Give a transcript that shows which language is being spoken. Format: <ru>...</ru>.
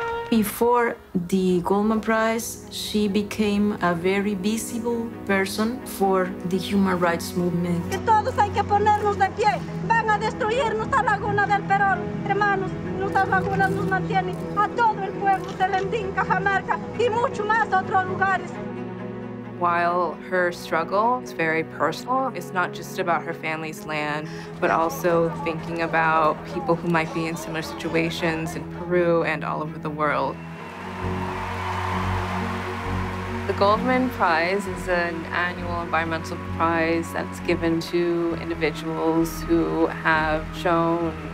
<en>Before the Goldman Prize, she became a very visible person for the human rights movement.</en> <es>Que todos hay que ponernos de pie. Van a destruir nuestra laguna del Perón. Hermanos, nuestras lagunas nos mantienen a todo el pueblo de Lendín, Cajamarca y mucho más otros lugares.</es> <en>While her struggle is very personal, it's not just about her family's land, but also thinking about people who might be in similar situations in Peru and all over the world. The Goldman Prize is an annual environmental prize that's given to individuals who have shown</en>